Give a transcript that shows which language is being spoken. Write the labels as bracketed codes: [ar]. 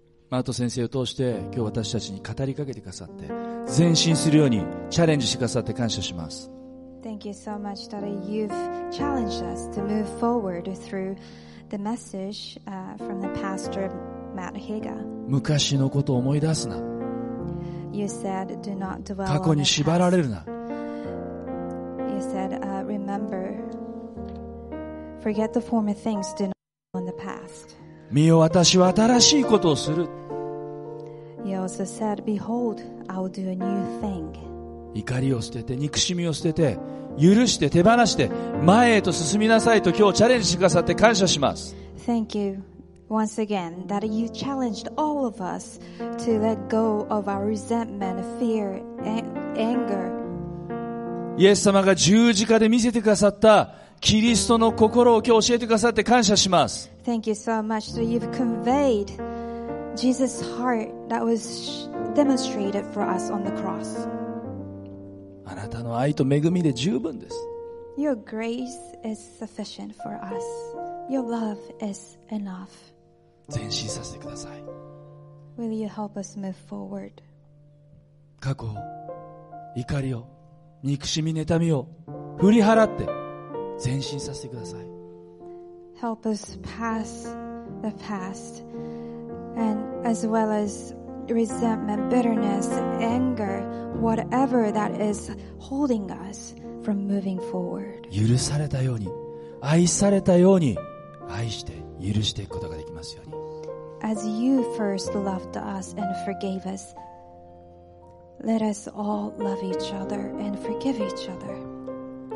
[ja] マート先生を通して今日私たちに語りかけてくださって、前進するようにチャレンジしてくださって感謝します。 [en] Thank you so much that you've challenged us to move forward through the message from the pastor Matt Higa. [ja] 昔のことを思い出すな。 [en] You said do not dwell on the past. [ja] 過去に縛られるな。 [en] You said rememberForget the former things, do not dwell on the past. [ja] 見よ、私は新しいことをする。 [en] He also said, Behold, I'll do a new thing. [ja] 怒りを捨てて、憎しみを捨てて、許して、手放して、前へと進みなさいと今日チャレンジしてくださって感謝します。 [en] Thank you once again that you challenged all of us to let go of our resentment, fear, and anger. [ja] イエス様が十字架で見せてくださったキリストの心を今日教えてくださって感謝します。 [en] Thank you so much that you've conveyed Jesus' heart that was demonstrated for us on the cross. [ja] あなたの愛と恵みで十分です。 [en] Your grace is sufficient for us. Your love is enough. [ja] 前進させてください。 [en] Will you help us move forward? [ja] 過去を、怒りを、憎しみ、妬みを振り払って前進させてください。 [en] Help us pass the past and as well as resentment, bitterness, anger, whatever that is holding us from moving forward. [ja] 許されたように、愛されたように愛して許していくことができますように。 [en] As you first loved us and forgave us, let us all love each other and forgive each other.